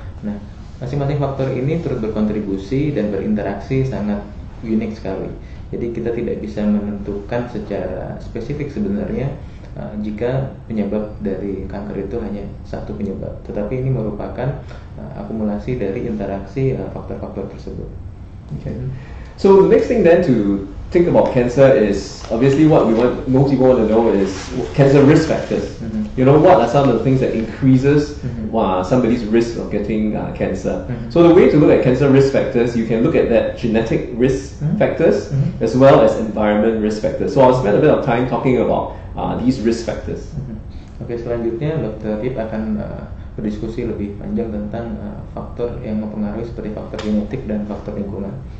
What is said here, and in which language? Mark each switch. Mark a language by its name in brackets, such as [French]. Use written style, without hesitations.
[Indonesian] Nah, masing-masing faktor ini turut berkontribusi dan berinteraksi sangat unik sekali. Jadi kita tidak bisa menentukan secara spesifik sebenarnya jika penyebab dari kanker itu hanya satu penyebab. Tetapi ini merupakan akumulasi dari interaksi faktor-faktor tersebut. [English] Okay. So the next thing then to think about cancer is obviously what we want, most people want to know is cancer risk factors. You know, what are some of the things that increases somebody's risk of getting cancer? So the way to look at cancer risk factors, you can look at that genetic risk factors as well as environment risk factors. So I'll spend a bit of time talking about these risk factors. [Indonesian] Okay, selanjutnya Dr. Rip akan berdiskusi lebih panjang tentang faktor yang mempengaruhi seperti faktor genetik dan faktor lingkungan.